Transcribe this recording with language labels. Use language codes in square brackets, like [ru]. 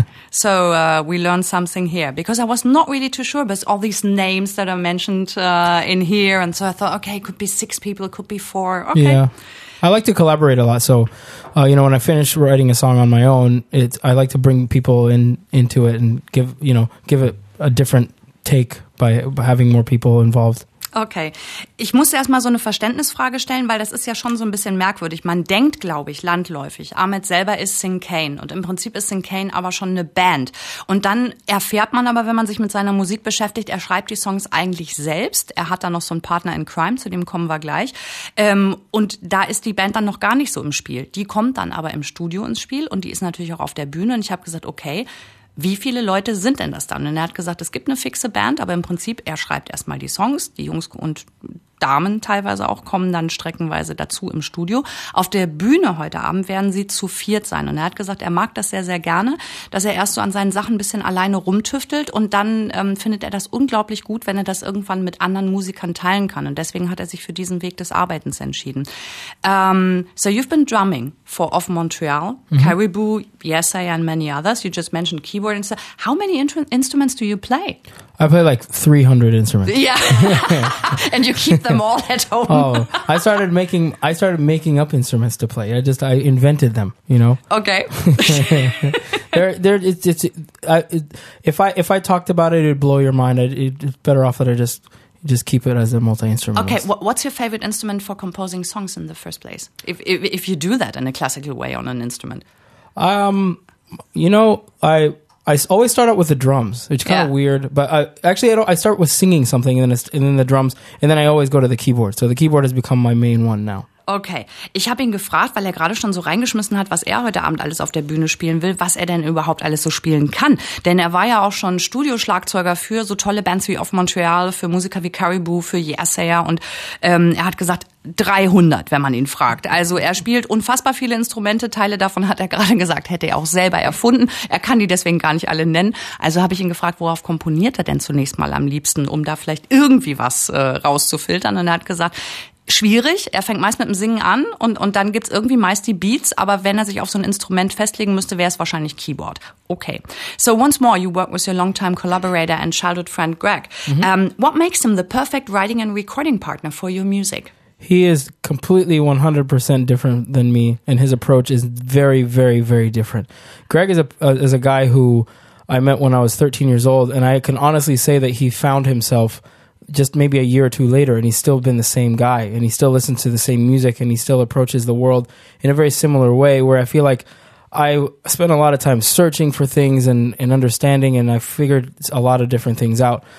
[en] So we learned something here, because I was not really too sure, but all these names that are mentioned in here. And so I thought, okay, it could be six people, it could be four. Okay. Yeah. I like to collaborate a lot. So, you know, when I finish writing a song on my own, I like to bring people into it and give it a different take by having more people involved. [de] Okay, ich muss erstmal so eine Verständnisfrage stellen, weil das ist ja schon so ein bisschen merkwürdig. Man denkt, glaube ich, landläufig, Ahmed selber ist Sin Cane und im Prinzip ist Sin Cane aber schon eine Band. Und dann erfährt man aber, wenn man sich mit seiner Musik beschäftigt, er schreibt die Songs eigentlich selbst. Er hat da noch so einen [en] Partner in Crime, [de] zu dem kommen wir gleich. Und da ist die Band dann noch gar nicht so im Spiel. Die kommt dann aber im Studio ins Spiel und die ist natürlich auch auf der Bühne. Und ich habe gesagt, okay, wie viele Leute sind denn das dann? Und er hat gesagt, es gibt eine fixe Band, aber im Prinzip, er schreibt erstmal die Songs. Die Jungs und Damen teilweise auch kommen dann streckenweise dazu im Studio. Auf der Bühne heute Abend werden sie zu viert sein. Und er hat gesagt, er mag das sehr, sehr gerne, dass er erst so an seinen Sachen ein bisschen alleine rumtüftelt. Und dann findet er das unglaublich gut, wenn er das irgendwann mit anderen Musikern teilen kann. Und deswegen hat er sich für diesen Weg des Arbeitens entschieden. [en] So you've been drumming for Off Montreal, Caribou, Yes I, and many others. You just mentioned keyboard and stuff. How many instruments do you play? I play like 300 instruments. Yeah. And you keep them all at home. Oh, I started making up instruments to play. I invented them, you know. Okay. If I talked about it, it'd blow your mind. It's better off that I just keep it as a multi-instrument. Okay, what's your favorite instrument for composing songs in the first place? If you do that in a classical way on an instrument. I always start out with the drums. It's kind of weird, but I start with singing something and then the drums, and then I always go to the keyboard. So the keyboard has become my main one now. [de] Okay, ich habe ihn gefragt, weil er gerade schon so reingeschmissen hat, was er heute Abend alles auf der Bühne spielen will, was er denn überhaupt alles so spielen kann. Denn er war ja auch schon Studioschlagzeuger für so tolle Bands wie Off Montreal, für Musiker wie Caribou, für Yesayer. Und er hat gesagt, 300, wenn man ihn fragt. Also er spielt unfassbar viele Instrumente, Teile davon hat er gerade gesagt, hätte er auch selber erfunden. Er kann die deswegen gar nicht alle nennen. Also habe ich ihn gefragt, worauf komponiert er denn zunächst mal am liebsten, um da vielleicht irgendwie was rauszufiltern. Und er hat gesagt, schwierig. Er fängt meist mit dem Singen an und dann gibt's irgendwie meist die Beats. Aber wenn er sich auf so ein Instrument festlegen müsste, wäre es wahrscheinlich Keyboard. Okay. [en] So once more, you work with your longtime collaborator and childhood friend Greg. What makes him the perfect writing and recording partner for your music? He is completely 100% different than me, and his approach is very, very, very different. Greg is a guy who I met when I was 13 years old, and I can honestly say that he found himself just maybe a year or two later, and he's still been the same guy, and he still listens to the same music, and he still approaches the world in a very similar way, where I feel like I spent a lot of time searching for things and understanding, and I figured a lot of different things out.